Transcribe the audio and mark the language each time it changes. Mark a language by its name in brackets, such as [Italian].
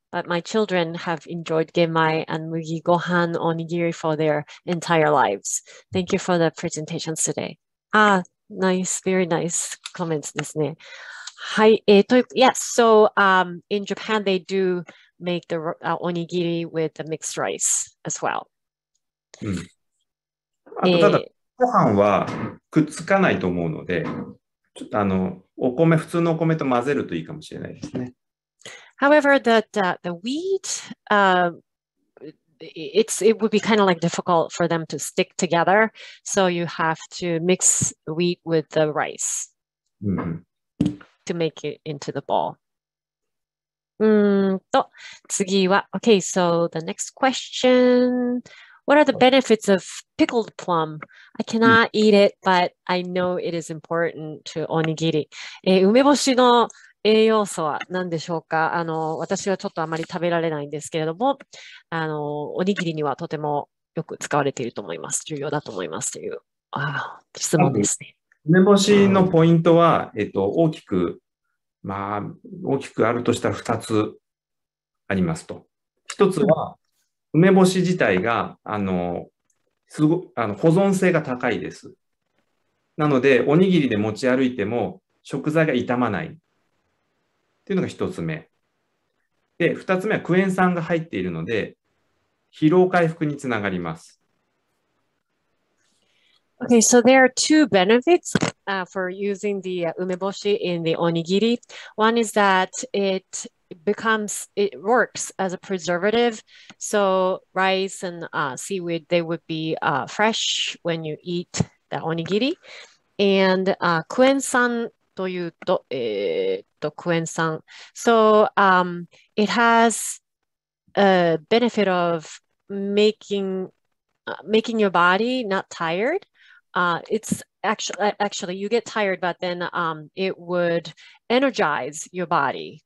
[English] But my children have enjoyed genmai and mugi gohan onigiri for their entire lives. Thank you for the presentations today. Ah, nice, very nice comments ですね。はい、yes, so in Japan they do make the onigiri with the mixed rice as well. [Japanese] うん。あとただ、ご飯はくっつかないと思うので、ちょっとお米、普通のお米と混ぜるといいかもしれないですね。 [English] However, the wheat, it would be kind of like difficult for them to stick together, so you have to mix wheat with the rice. [Japanese] うん。 [English] To make it into the ball. Okay, so the next question, what are the benefits of pickled plum? I cannot eat it, but I know it is important to onigiri. [Japanese] 梅干しの栄養素は何でしょうか？私はちょっとあまり食べられないんですけれども、おにぎりにはとてもよく使われていると思います。重要だと思いますという質問ですね。梅干しのポイントは、大きく、まあ、大きくあるとしたら2つありますと。 1つは、梅干し自体が、保存性が高いです。なので、おにぎりで持ち歩いても食材が傷まない。というのが1つ目。で、2つ目はクエン酸が入っているので、疲労回復につながります。 [English] Okay, so there are two benefits, for using the, umeboshi in the onigiri. One is that it works as a preservative. So rice and, seaweed, they would be, fresh when you eat the onigiri. [Japanese] And, クエン酸というと、クエン酸。 [English] So, it has a benefit of making your body not tired. It's actually you get tired, but then it would energize your body.